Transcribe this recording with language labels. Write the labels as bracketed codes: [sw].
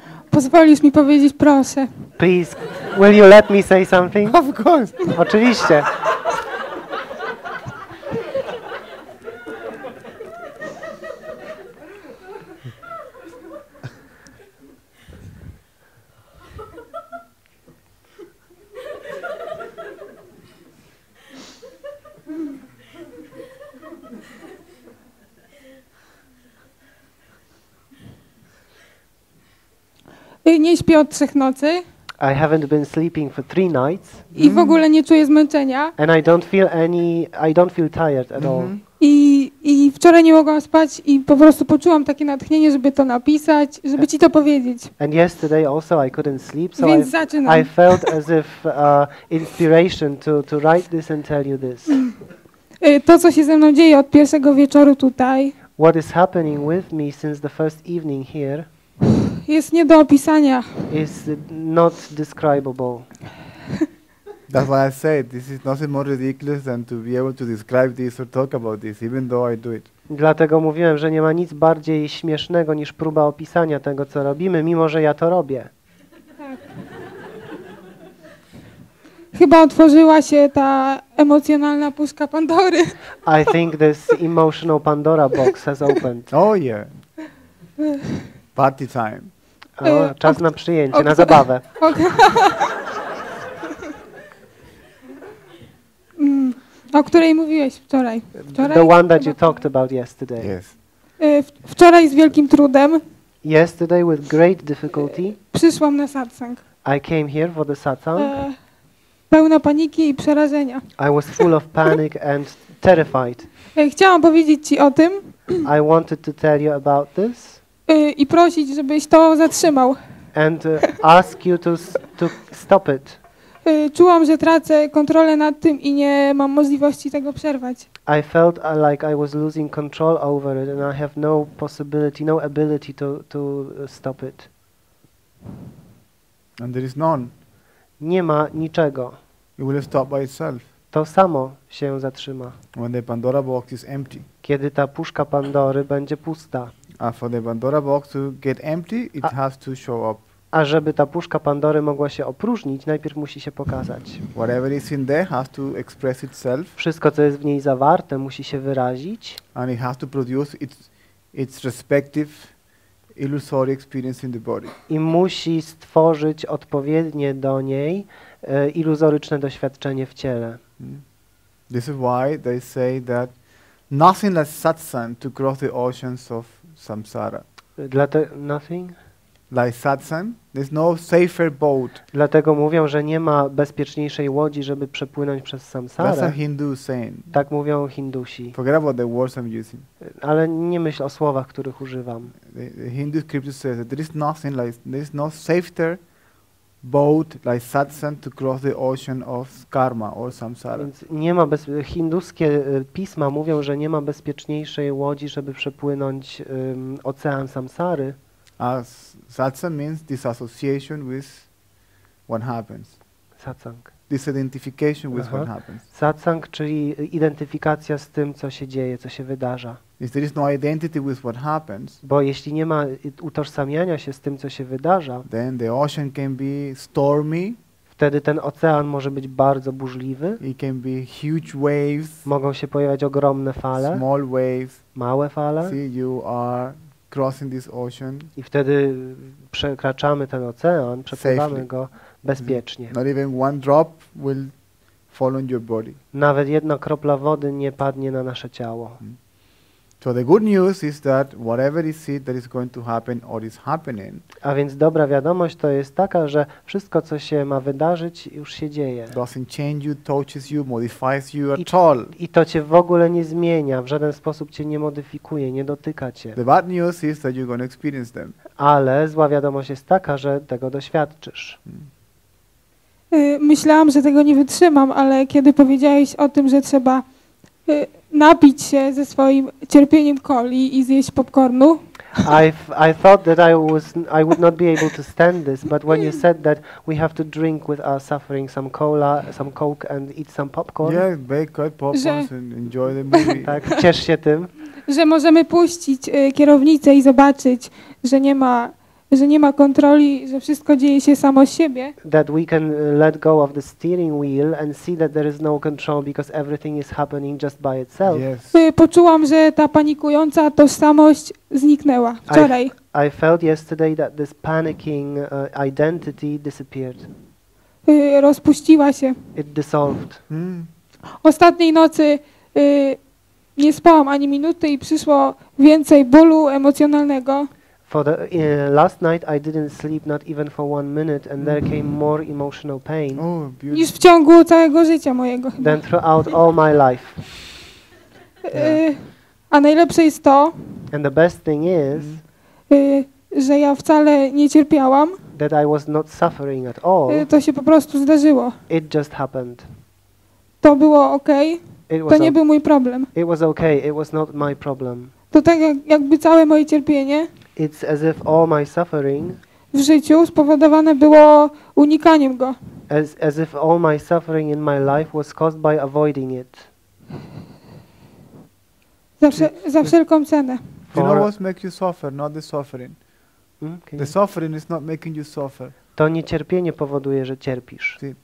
[pl] Pozwolisz mi powiedzieć, proszę. [en] Please, will you let me say something? Of course. [pl] Oczywiście. Nie śpię od 3 nocy. [en] I haven't been sleeping for 3 nights. [pl] I w ogóle nie czuję zmęczenia. [en] And I don't feel tired at all. [pl] I wczoraj nie mogłam spać i po prostu poczułam takie natchnienie, żeby to napisać, żeby ci to powiedzieć. [en] And yesterday also I couldn't sleep, so [pl] więc zaczynam. [en] I felt as if inspiration to write this and tell you this. [pl] To co się ze mną dzieje od pierwszego wieczoru tutaj. [en] What is happening with me since the first evening here? [pl] Jest nie do opisania. [en] Is not describable. That's why I say this is nothing more ridiculous than to be able to describe this or talk about this, even though I do it. [pl] Dlatego mówiłem, że nie ma nic bardziej śmiesznego niż próba opisania tego, co robimy, mimo że ja to robię. Chyba otworzyła się ta emocjonalna puszka Pandory. [en] I think this emotional Pandora box has opened. Oh yeah. Party time. [pl] O, czas na przyjęcie, na zabawę. O której mówiłeś wczoraj? [en] The one that you talked about yesterday. Yes. [pl] Wczoraj z wielkim trudem. [en] Yesterday with great difficulty. [pl] Przyszłam na satsang. [en] I came here for the satsang. [pl] Pełna paniki i przerażenia. [en] I was full of panic and terrified. [pl] Chciałam powiedzieć ci o tym. [en] I wanted to tell you about this. [pl] I prosić, żebyś to zatrzymał. [en] And ask you to stop it. [pl] Czułam, że tracę kontrolę nad tym i nie mam możliwości tego przerwać. [en] I felt like I was losing control over it and I have no possibility, no ability to stop it. And there is none. [pl] Nie ma niczego. [en] It will stop by itself. [pl] To samo się zatrzyma. [en] When the Pandora box is empty. [pl] Kiedy ta puszka Pandory będzie pusta. [en] A for the Pandora box to get empty, it has to show up. [pl] A żeby ta puszka Pandory mogła się opróżnić, najpierw musi się pokazać. [en] Whatever is in there has to express itself. [pl] Wszystko, co jest w niej zawarte, musi się wyrazić. [en] And it has to produce its respective illusory experience in the body. [pl] I musi stworzyć odpowiednie do niej iluzoryczne doświadczenie w ciele. [en] This is why they say that nothing like satsang to cross the oceans of samsara. Nothing? Like satsang, there's no safer boat. [pl] Dlatego mówią, że nie ma bezpieczniejszej łodzi, żeby przepłynąć przez samsarę. [en] That's a Hindu saying. [pl] Tak mówią Hindusi. [en] Forget about the words I'm using. [pl] Ale nie myśl o słowach, których używam. [en] The Hindu scripture says that there's no safer boat like satsang to cross the ocean of karma or samsara. [pl] Więc nie ma hinduskie pisma mówią, że nie ma bezpieczniejszej łodzi, żeby przepłynąć ocean samsary. [en] As satsang means disassociation with what happens. Satsang. Disidentification with what happens. [pl] Satsang, czyli identyfikacja z tym, co się dzieje, co się wydarza. [en] If there is no identity with what happens, [pl] bo jeśli nie ma utożsamiania się z tym, co się wydarza, [en] then the ocean can be stormy. [pl] Wtedy ten ocean może być bardzo burzliwy. [en] It can be huge waves. [pl] Mogą się pojawiać ogromne fale. [en] Small waves. [pl] Małe fale. [en] See, you are crossing this ocean. [pl] I wtedy przekraczamy ten ocean, przepływamy go bezpiecznie. [en] Not even one drop will fall on your body. [pl] Nawet jedna kropla wody nie padnie na nasze ciało. [en] So the good news is that whatever is said that is going to happen or is happening. [pl] A więc dobra wiadomość to jest taka, że wszystko co się ma wydarzyć już się dzieje. [en] Doesn't change you, touches you, modifies you at all. [pl] I to cię w ogóle nie zmienia, w żaden sposób cię nie modyfikuje, nie dotyka cię. [en] The bad news is that you're going to experience them. [pl] Ale zła wiadomość jest taka, że tego doświadczysz. Myślałam, że tego nie wytrzymam, ale kiedy powiedziałeś o tym, że trzeba napić się ze swoim cierpieniem coli i zjeść popcornu. [en] I thought that I would not be able to stand this, but when you said that we have to drink with our suffering some cola, some coke and eat some popcorn. Yeah, bake popcorns and enjoy the movie. [pl] Tak, ciesz się tym. Że możemy puścić kierownicę i zobaczyć, że nie ma kontroli, że wszystko dzieje się samo z siebie. [en] That we can let go of the steering wheel and see that there is no control because everything is happening just by itself. Yes. [pl] Poczułam, że ta panikująca tożsamość zniknęła wczoraj. [en] I felt yesterday that this panicking identity disappeared. [pl] Rozpuściła się. [en] It dissolved. [pl] Ostatniej nocy nie spałam ani minuty i przyszło więcej bólu emocjonalnego. [en] For the last night I didn't sleep not even for one minute and there came more emotional pain. Oh, beautiful. [pl] Niż w ciągu całego życia mojego. [en] Than throughout all my life. [pl] A najlepsze jest to. [en] And the best thing is. [pl] Że ja wcale nie cierpiałam. [en] That I was not suffering at all. [pl] To się po prostu zdarzyło. [en] It just happened. [pl] To było okay. To nie był mój problem. [en] It was okay. It was not my problem. [pl] To tak jakby całe moje cierpienie. [en] It's as if all my suffering [pl] w życiu spowodowane było unikaniem go. [en] As if all my suffering in my life was caused by avoiding it. [pl] Za wszelką cenę. [en] You know what makes you suffer, not the suffering. Okay. The suffering is not making you suffer. [pl] To niecierpienie powoduje, że cierpisz.